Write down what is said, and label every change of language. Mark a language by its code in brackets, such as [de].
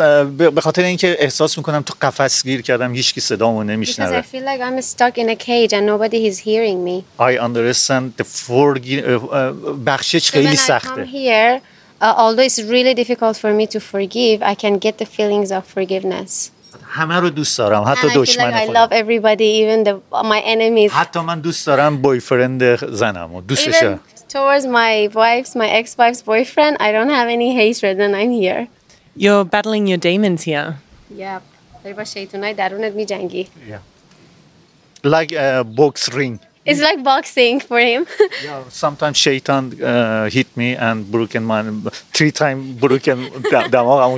[en] I feel like I'm stuck in a cage and nobody is hearing me. I understand the forgiving. Although it's really difficult for me to forgive, I can get the feelings of forgiveness. [fa] همه رو دوست دارم حتی دشمن خودم. [en] I love everybody, even my enemies. [fa] حتی من دوست دارم بویفرند زنم و دوستش. [en] Even towards my ex-wife's boyfriend, I don't have any hatred and I'm here. You're battling your demons here. Yeah. Like a box ring. It's like boxing for him. Yeah, sometimes Shaitan hit me and broken my three times broken damagamu